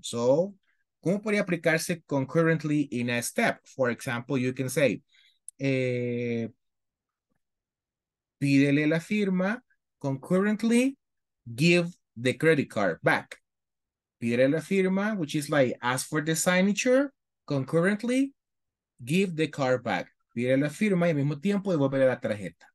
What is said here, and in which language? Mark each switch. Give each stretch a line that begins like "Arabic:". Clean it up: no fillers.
Spanish: So, ¿cómo podría aplicarse
English: concurrently in a step? For example, you can say,
Spanish: pídele la firma,
English: concurrently, give the credit card back.
Spanish: Pídele la firma,
English: which is like, ask for the signature, concurrently, give the card back.
Spanish: Pide la firma y al mismo tiempo devuelve la tarjeta.